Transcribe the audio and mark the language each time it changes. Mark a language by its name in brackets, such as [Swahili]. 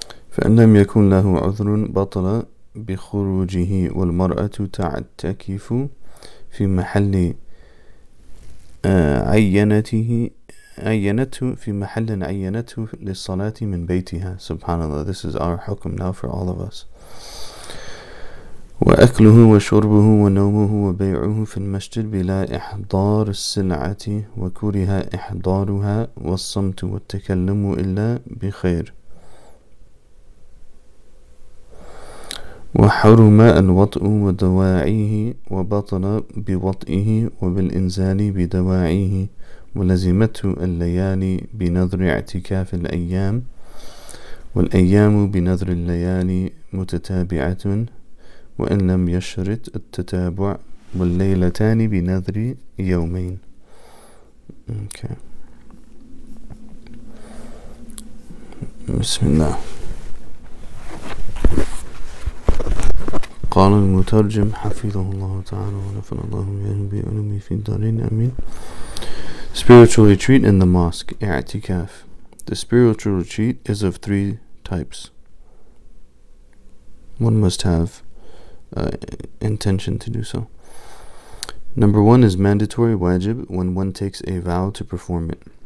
[Arabic] فإن لم يكن له عذر بطل بخروجه والمرأة تعتكف في محل عينته للصلاة من بيتها. [English] Subhanallah, this is our hukum now for all of us. [Arabic] وأكله وشربه ونومه وبيعه في المسجد بلا إحضار السلعة وكره إحضارها والصمت والتكلم إلا بخير وحرم الوطء ودواعيه وبطل بوطئه وبالإنزال بدواعيه ولزمته الليالي بنذر اعتكاف الأيام والأيام بنذر الليالي متتابعة وإن لم يشرط التتابع والليلتان بنذر يومين. [English] Okay. [Arabic] بسم الله. قال المترجم حفظه الله تعالى ونفر الله يهبي علمي في الدارين أمين. [English] Spiritual retreat in the mosque, i'tikaf. The spiritual retreat is of three types. One must have intention to do so. Number one is mandatory wajib, when one takes a vow to perform it.